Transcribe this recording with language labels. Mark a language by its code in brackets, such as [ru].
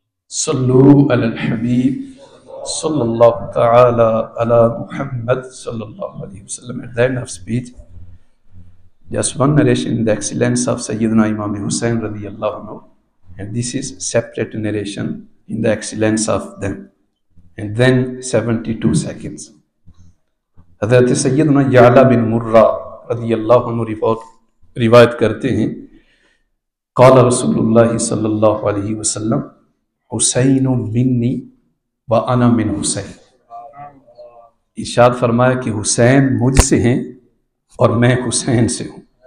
[ar] صلوا علی الحبیب صلی اللہ تعالی علی محمد صلی اللہ علیہ وسلم. [en] At the end of speech, just one narration in the excellence of Sayyidina Imam Hussain radiallahu anhu, and this is separate narration in the excellence of them, and then 72 seconds. [ur] حضرت سیدنا یعلا بن مرہ رضی اللہ عنہ روایت کرتے ہیں، قال رسول اللہ صلی اللہ علیہ وسلم، [ar] حسین منی وانا من حسین، [ur] ارشاد فرمایا کہ حسین مجھ سے ہیں اور میں حسین سے ہوں.